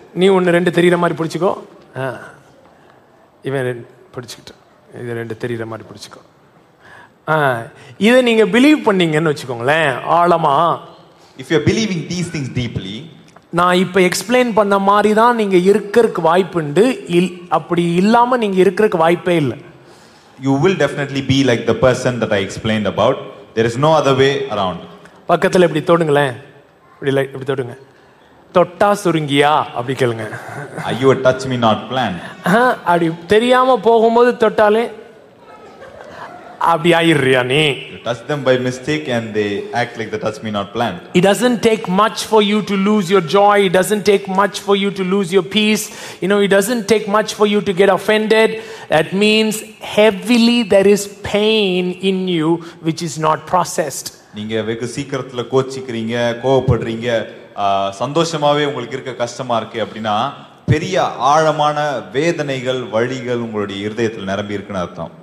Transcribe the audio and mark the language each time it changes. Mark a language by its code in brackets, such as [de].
[ta] நீ ஒன்னு ரெண்டு தெரியற மாதிரி புடிச்சுக்கோ இவன் புடிச்சுக்கிட்ட இது ரெண்டு தெரியற மாதிரி பிடிச்சிக்கோ. இதை நீங்க பிலீவ் பண்ணீங்கன்னு வச்சுக்கோங்களேன் ஆழமா. [en] If you are believing these things deeply, [ta] நான் இப்ப எக்ஸ்பிளைன் பண்ண மாதிரி தான் நீங்க இருக்கிறதுக்கு வாய்ப்புண்டு, அப்படி இல்லாம நீங்க இருக்கிறதுக்கு வாய்ப்பே இல்லை. [en] You will definitely be like the person that I explained about. There is no other way around. [ta] பக்கத்துல இப்படி தொடுங்களேன், இப்படி தொடுங்க. தொட்டா சுருங்கியா அப்படி கேளுங்க. [en] Are you a touch me not plan? [ta] அப்படி தெரியாம போகும்போது தொட்டாலே அப்படி ஆயிடுறியா நீ. [en] You touch them by mistake and they act like the touch me not plan. It doesn't take much for you to lose your joy. It doesn't take much for you to lose your peace. You know, it doesn't take much for you to get offended. That means heavily there is pain in you which is not processed. [ta] நீங்க வெகு சீக்கிரத்துல கோச்சிக்கிறீங்க, கோவப்படுறீங்க, சந்தோஷமாவே உங்களுக்கு இருக்க கஷ்டமா இருக்கு அப்படின்னா பெரிய ஆழமான வேதனைகள் வழிகள் உங்களுடைய இருதயத்தில் நிரம்பி இருக்குன்னு அர்த்தம்.